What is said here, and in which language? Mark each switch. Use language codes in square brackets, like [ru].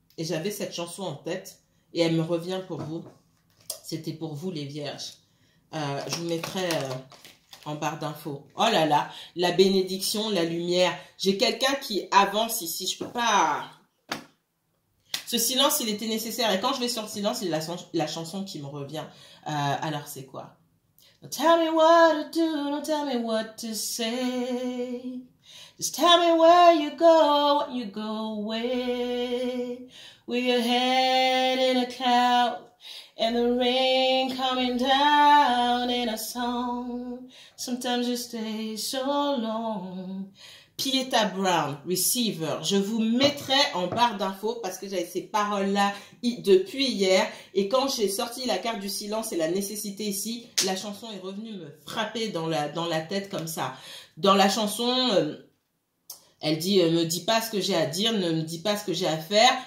[fr] Et j'avais cette chanson en tête. Et elle me revient pour vous. C'était pour vous, les vierges. Je vous mettrai en barre d'infos. Oh là là, la bénédiction, la lumière. J'ai quelqu'un qui avance ici. Je ne peux pas... Ce silence, il était nécessaire. Et quand je vais sur le silence, il y a la chanson qui me revient. Alors, c'est quoi? [en] Don't tell me what to do, don't tell me what to say. Just tell me where you go away. With your head in a cloud. And the rain coming down in a song. Sometimes you stay so long. Pieta Brown, Receiver. [fr] Je vous mettrai en barre d'infos parce que j'avais ces paroles-là depuis hier. Et quand j'ai sorti la carte du silence et la nécessité ici, la chanson est revenue me frapper dans la tête comme ça. Dans la chanson... elle dit, ne me dis pas ce que j'ai à dire, ne me dis pas ce que j'ai à faire.